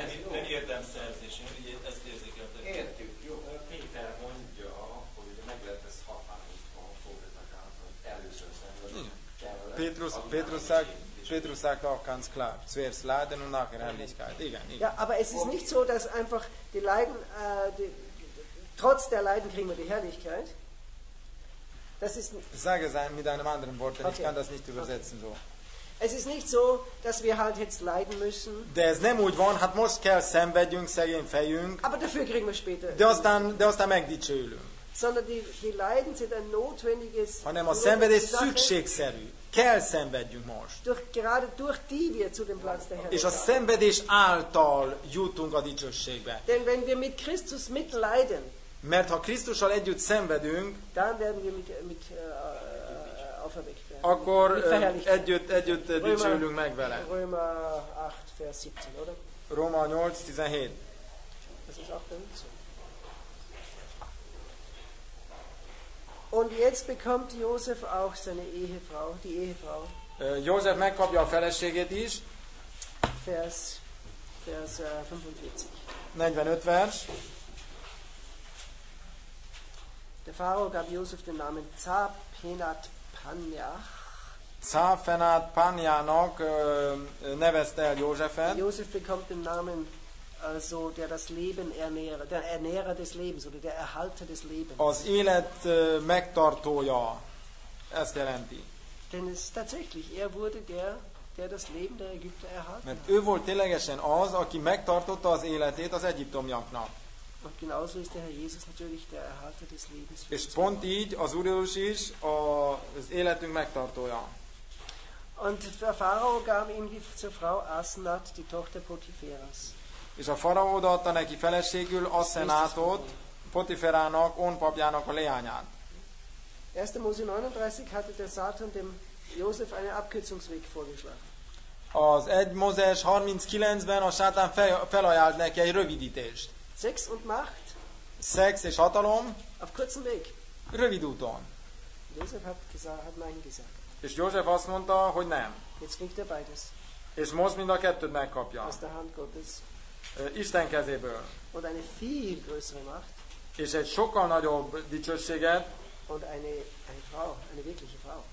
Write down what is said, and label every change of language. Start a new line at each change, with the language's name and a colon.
Hungarian: Nem értem szerzésén, ugye ezt érzékeltek. Értjük, jó. Péter mondja, hogy meg lehet ez határozva a fogadnak által, hogy először szenvedünk.
German: Petrus sagt auch ganz klar, zuerst Leiden und nachher Herrlichkeit.
Hungarian: Igen, igen.
German: Ja, aber es ist nicht so, dass einfach die Leiden, trotz der Leiden kriegen wir die Herrlichkeit. Das ist Sage es mit einem anderen Wort, denn okay. Ich kann das nicht übersetzen so. Es ist nicht so, dass wir halt jetzt leiden müssen.
Hungarian: De ez nem úgy van, hát most kell szenvedjünk, szegény fejünk.
German: Aber dafür kriegen wir später.
Hungarian: De aztán megdicsőlünk.
German: Sondern die Leiden sind ein notwendiges.
Hungarian: Hanem a szenvedés szükségszerű. Kell szenvedjünk most.
German: Gerade durch die wir zu dem Platz der Herrlichkeit.
Hungarian: És a szenvedés által jutunk a dicsőségbe.
German: Denn wenn wir mit Christus mitleiden.
Hungarian: Mert ha Krisztussal együtt szenvedünk,
German: dann werden wir mit auferweckt.
Hungarian: Akkor együtt dicsőlünk meg vele. Róma 8, vers 17, oder? Róma 8, 17.
German: Das ist auch der Witz. Und jetzt bekommt Josef auch seine Ehefrau, die Ehefrau.
Hungarian: Josef megkapja a feleségét is.
German: Vers 45.
Hungarian: 45 vers.
German: Der Pharao gab Josef den Namen Zaphenat Panjach.
Hungarian: Zafenat Panjának nevezte el Józsefet.
German: József bekommt den Namen, also der das Leben ernähre, der Ernährer des Lebens, oder der Erhalter des Lebens.
Hungarian: Az élet megtartója, ezt jelenti.
German: Denn es tatsächlich, wurde der das Leben der Ägypter erhalten.
Hungarian: Mert ő volt ténylegesen az, aki megtartotta az életét az egyiptomiaknak.
German: Und genauso ist der Herr Jesus natürlich der Erhalter des Lebens.
Hungarian: És pont így az Úr Jézus is az életünk megtartója.
German: Und der Pharao gab ihm zur Frau Asenat, die Tochter Potipheras.
Hungarian: És a Pharao adta neki feleségül Asenatot, Potipherának, ónpapjának a leányát.
German: 1. Mose 39 hatte der Satan dem Josef einen Abkürzungsweg vorgeschlagen.
Hungarian: Az 1. Mose 39-ben a Sátán felajánlott neki egy rövidítést.
German: Sex und Macht.
Hungarian: Sex és hatalom.
German: Auf kurzem Weg.
Hungarian: Rövid úton.
German: Josef hat nein gesagt.
Hungarian: És József azt mondta, hogy nem.
German: Jetzt kriegt er beides.
Hungarian: És most mind a kettőt megkapja.
German: Aus der Hand Gottes.
Hungarian: Isten kezéből.
German: Und eine viel größere Macht.
Hungarian: És egy sokkal nagyobb dicsőséget.
German: Und eine Frau, eine wirkliche Frau.